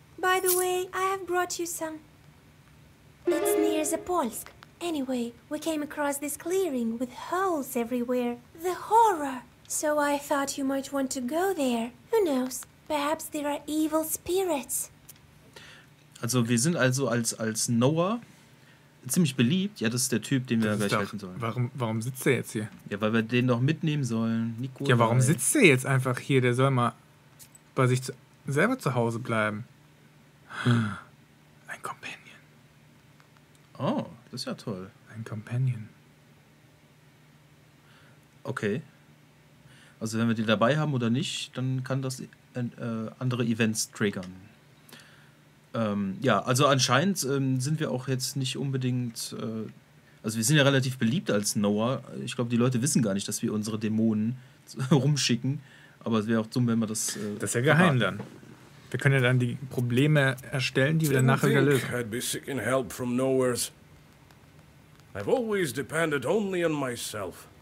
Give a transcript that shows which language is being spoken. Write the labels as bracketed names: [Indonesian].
[English] By the way, I have brought you some. It's near Zapolsk. Anyway, we came across this clearing with holes everywhere. The horror! So I thought you might want to go there. Who knows? Perhaps there are evil spirits. [German] Also, wir sind also als Noah ziemlich beliebt. Ja, das ist der Typ, den wir gleich helfen sollen. Warum sitzt der jetzt hier? Ja, weil wir den doch mitnehmen sollen. Nico, ja, warum sitzt der jetzt einfach hier? Der soll mal bei sich selber zu Hause bleiben. Ein Companion. Oh, das ist ja toll. Ein Companion. Okay. Also wenn wir den dabei haben oder nicht, dann kann das andere Events triggern. Ja, also anscheinend sind wir auch jetzt nicht unbedingt... also wir sind ja relativ beliebt als Noah. Ich glaube, die Leute wissen gar nicht, dass wir unsere Dämonen rumschicken. Aber es wäre auch dumm, wenn wir das... Das ist ja geheim dann. Wir können ja dann die Probleme erstellen, die wir dann nachher wieder lösen. Ich denke, ich würde [English] seeking help from nowhere's. I've always depended only on myself.